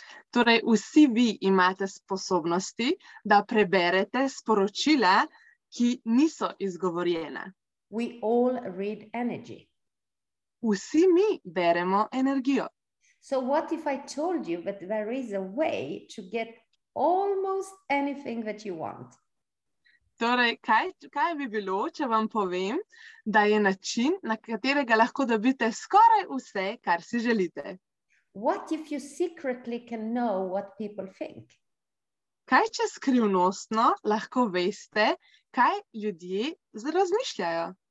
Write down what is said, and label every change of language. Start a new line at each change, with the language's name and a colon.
Slovenian: Torej, vsi vi imate sposobnosti, da preberete sporočila, ki niso izgovorjena.
English: We all read energy.
Slovenian: Vsi mi beremo energijo.
English: So what if I told you that there is a way to get almost anything that you want?
Slovenian: Torej, kaj bi bilo, če vam povem, da je način, na katerega lahko dobite skoraj vse, kar si želite?
English: What if you secretly can know what people think?
Slovenian: Kaj če skrivnostno lahko veste, kaj ljudje razmišljajo?